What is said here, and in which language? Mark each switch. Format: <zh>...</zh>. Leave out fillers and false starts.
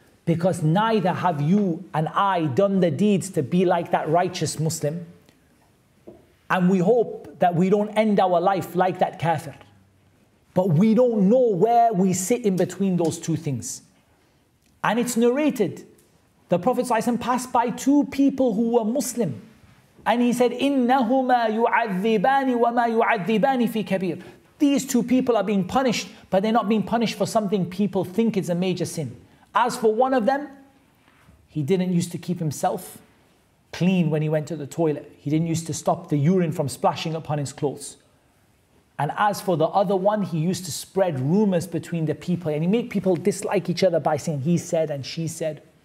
<en>Because neither have you and I done the deeds to be like that righteous Muslim. And we hope that we don't end our life like that kafir. But we don't know where we sit in between those two things. And it's narrated. The Prophet ﷺ passed by two people who were Muslim. And he said,</en> <ar>إِنَّهُمَا يُعَذِّبَانِ وَمَا يُعَذِّبَانِ فِي كَبِيرٍ.</ar> <en>These two people are being punished, but they're not being punished for something people think is a major sin. As for one of them, he didn't used to keep himself clean when he went to the toilet. He didn't used to stop the urine from splashing upon his clothes. And as for the other one, he used to spread rumors between the people and he made people dislike each other by saying he said and she said.</en>